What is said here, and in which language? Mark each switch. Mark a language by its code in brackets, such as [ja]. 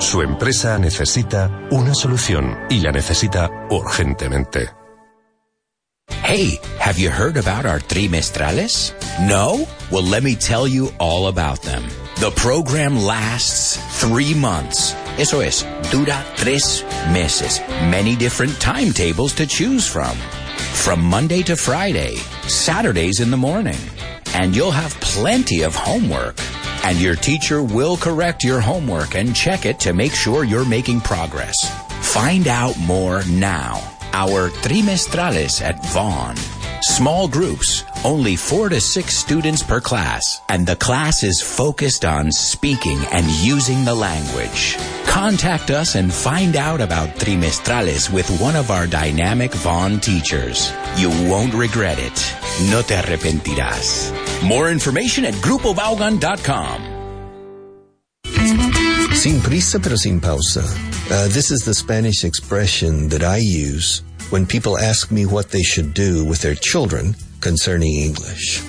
[es] Su empresa necesita una solución y la necesita urgentemente. [en] Hey, have you heard about our trimestrales? No? Well, let me tell you all about them. The program lasts 3 months. [es] Eso es, dura 3 meses. [en] Many different timetables to choose from. From Monday to Friday, Saturdays in the morning. And you'll have plenty of homework. And your teacher will correct your homework and check it to make sure you're making progress. Find out more now. Our trimestrales at Vaughan. Small groups, only 4 to 6 students per class, and the class is focused on speaking and using the language. Contact us and find out about trimestrales with one of our dynamic Vaughan teachers. You won't regret it. [es] No te arrepentirás. [en] More information at GrupoVaughan.com. [es] Sin prisa pero sin pausa. [en] This is the Spanish expression that I use when people ask me what they should do with their children concerning English.